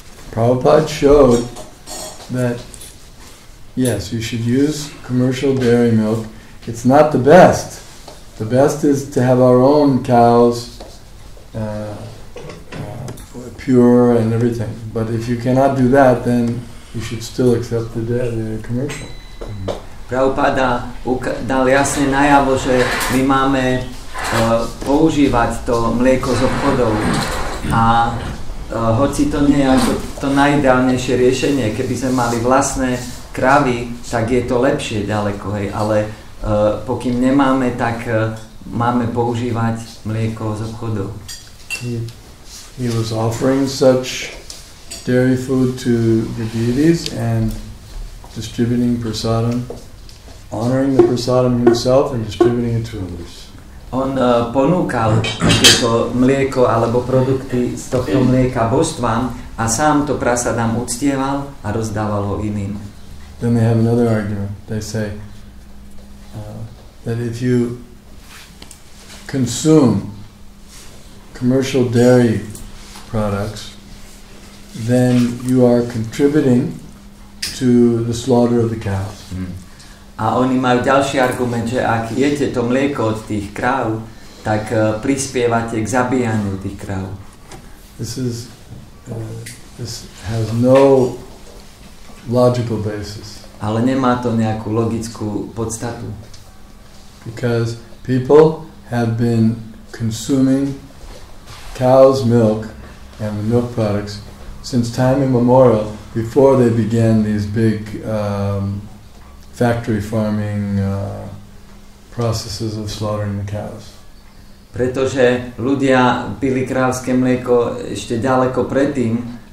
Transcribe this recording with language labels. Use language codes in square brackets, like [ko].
[en] Prabhupada showed that yes, you should use commercial dairy milk. It's not the best. The best is to have our own cows pure and everything. But if you cannot do that, then you should still accept the commercial. [sk] Prabhupada dal jasne najavo, že my máme používať to mlieko z obchodov. A hoci to nie je ako to najideálnejšie riešenie, keby sme mali vlastné kravy, tak je to lepšie ďaleko, hej, ale pokým nemáme, tak máme používať mlieko z obchodu. [en] He was offering such dairy food to the deities and distributing prasadam, honoring the prasadam himself and distributing it to others. [sk] On ponúkal takéto mlieko alebo produkty z tohto mlieka božstvám a sám to prasadam uctieval a rozdával ho iným. [en] Then they have another argument. They say that if you consume commercial dairy products, then you are contributing to the slaughter of the cows. Mm. [sk] A oni majú ďalší argument, že ak jete to mlieko od tých kráv, tak prispievate k zabíjaniu tých kráv. [en] This has no logical basis. [sk] Ale nemá to nejakú logickú podstatu. [en] Because people have been consuming cow's milk and the milk products since time immemorial, before they began these big factory farming processes of slaughtering the cows. [sk] Pretože ľudia pili krávske mlieko ešte ďaleko predtým,